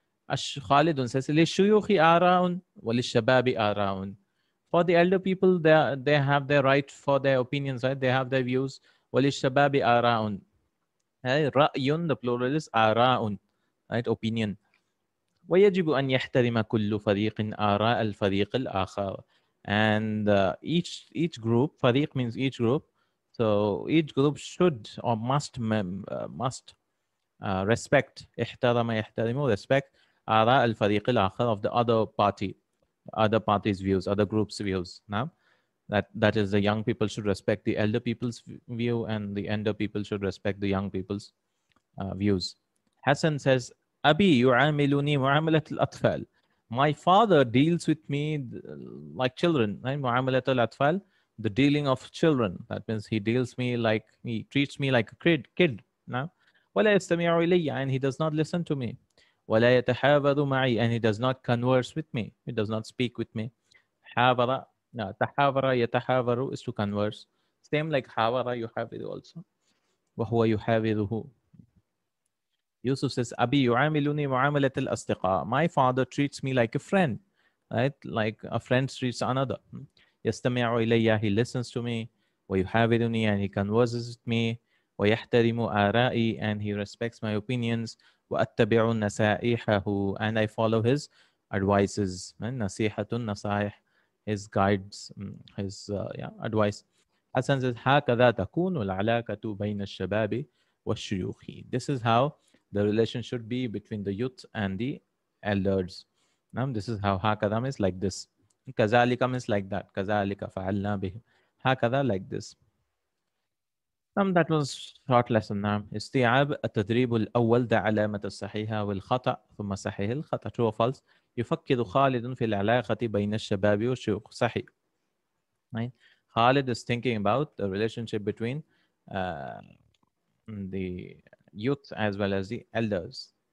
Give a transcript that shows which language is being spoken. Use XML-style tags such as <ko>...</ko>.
<ar>خالد says للشيوخ آراء وللشباب آراء.</ar> <en>For the elder people, they have their right for their opinions, right? They have their views.</en> <ar>وللشباب آراء.</ar> <en>رأي, the plural is آراء, right? Opinion.</en> <ar>ويجب أن يحترم كل فريق آراء الفريق الآخر.</ar> <en>And each group,</en> <ar>فريق means each group,</ar> <en>So each group should or must respect احترم يحترم respect</en> <ar>آراء الفريق الآخر</ar> <en>of the other party's views, other group's views. Now, that is the young people should respect the elder people's view and the elder people should respect the young people's views. Hassan says,</en> <ar>أبي يعاملني معاملة الأطفال.</ar> <en>My father deals with me like children.</en> <ar>معاملة الأطفال,</ar> <en>the dealing of children. That means he deals me like, he treats me like a kid. Now,</en> <ar>ولا يستمع إلي,</ar> <en>and he does not listen to me.</en> <ar>ولا يتحاور معي,</ar> <en>and he does not converse with me. He does not speak with me. حاور, no, تحاور يتحاور is to converse. Same like</en> <ar>حاور, يحاور also. وهو يحاوره.</ar> <en>Yusuf says,</en> <ar>أبي يعاملني معاملة الأصدقاء.</ar> <en>My father treats me like a friend, right? Like a friend treats another.</en> <ar>يستمع إلي,</ar> <en>he listens to me. ويحاورني, and he converses with me.</en> <ar>ويحترم آرائي,</ar> <en>and he respects my opinions.</en> <ar>وأتبع نصائحه,</ar> <en>and I follow his advices.</en> <ar>نصيحة النصائح,</ar> <en>his guides, his advice. Hassan says,</en> <ar>هكذا تكون العلاقة بين الشباب والشيوخ.</ar> <en>This is how the relation should be between the youth and the elders. Now, this is how هكذا means like this. كذلك means like that. كذلك فعلنا به. هكذا like this. Now, that was short lesson.</en> <ar>Now, استيعاب التدريب الأول ذا علامة الصحيحة والخطأ ثم صحيح الخطأ.</ar> <en>True or false.</en> <ar>يفكر خالد في العلاقة بين الشباب والشيوخ. صحيح. Right?</ar> <en>Khalid is thinking about the relationship between the youth as well as the elders.</en>